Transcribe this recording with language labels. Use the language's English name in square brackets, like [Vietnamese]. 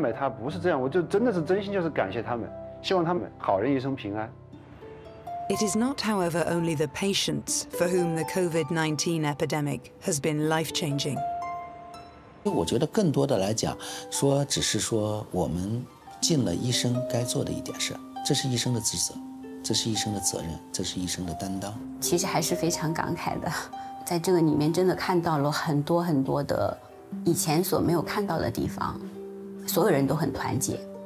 [Chinese] 我在病床上就跟这个潘教授他们说，我就说这样的，我说我这次能够平安出去，我说以后欢迎你们来武汉，我请你们喝茅台。武汉人民还是说话算话的，哈哈哈哈哈。那武汉人自己先说话算话的。个人素质怕什么？我要喝完吧，你不喝完你喝。我想对这些医护说的呢，也没多少什么华丽的辞藻，我要去怎么样去赞美他，不是这样，我就真的是真心就是感谢他们。 [English] It is not, however, only the patients for whom the COVID-19 epidemic has been life-changing. [Chinese] 我觉得更多的来讲，说只是说我们尽了医生该做的一点事，这是医生的职责，这是医生的责任，这是医生的担当。其实还是非常感慨的，在这个里面真的看到了很多很多的以前所没有看到的地方，所有人都很团结。